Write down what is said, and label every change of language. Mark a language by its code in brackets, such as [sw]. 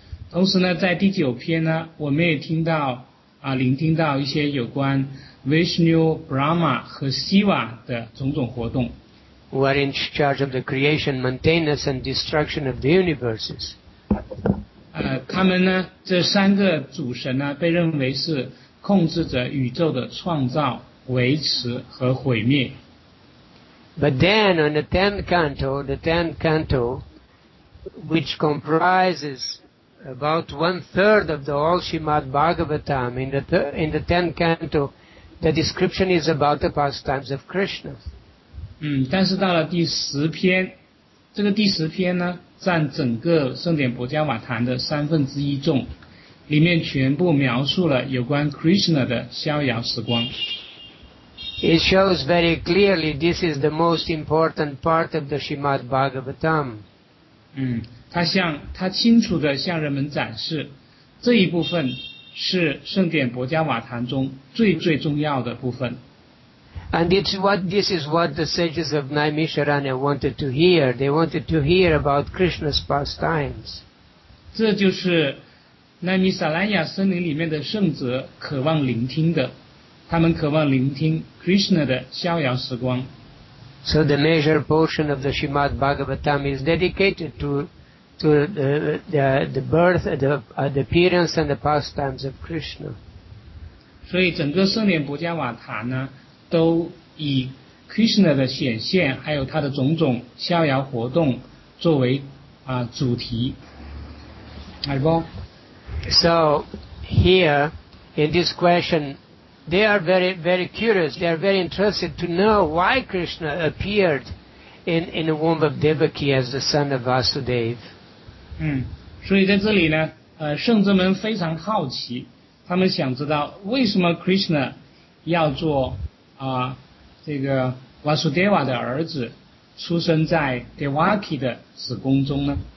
[zh] 同时呢，在第九篇呢，我们也听到聆听到一些有关Vishnu, Brahma 和 Shiva 的种种活动。 [en] We are in charge of the creation, maintenance and destruction of the universes. [zh] 他们呢，这三个主神呢，被认为是控制着宇宙的创造、维持和毁灭。 [en] But then on the tenth canto, which comprises about one third of the all Srimad Bhagavatam, in the tenth canto,The description is about the pastimes of Krishna. [zh] 但是到了第十篇，这个第十篇呢，占整个圣典博伽瓦坛的三分之一重，里面全部描述了有关 Krishna 的逍遥时光。 [en] It shows very clearly this is the most important part of the Srimad Bhagavatam. [zh] 他清楚地向人们展示这一部分。是圣典博伽瓦坛中最最重要的部分。 [en] And this is what the sages of Naimisharanya wanted to hear. They wanted to hear about Krishna's pastimes. [zh] 这就是奈米萨兰雅森林里面的圣者渴望聆听的，他们渴望聆听 Krishna 的逍遥时光。 [en] So the major portion of the Srimad Bhagavatam is dedicated to the birth, the appearance and the pastimes of Krishna. [zh] 所以整个圣典博伽瓦坛呢，都以 Krishna 的显现，还有他的种种逍遥活动作为主题。 [en] So here in this question, they are very very curious. They are very interested to know why Krishna appeared in the womb of Devaki as the son of Vasudeva. [zh] 所以在这里呢，圣者们非常好奇，他们想知道为什么 Krishna 要做这个 Vasudeva 的儿子，出生在 Devaki 的子宫中呢？